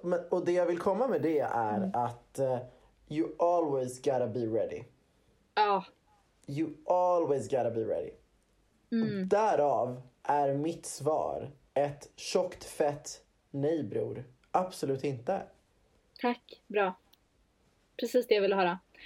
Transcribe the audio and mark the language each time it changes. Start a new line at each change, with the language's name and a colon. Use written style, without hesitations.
Swedish: Och det jag vill komma med det är att
English: you always gotta be ready.
Swedish: Ja.
English: You always gotta be ready.
Swedish: Därav är mitt svar ett tjockt, fett nej, bror. Absolut inte. Tack, bra. Precis det jag ville höra.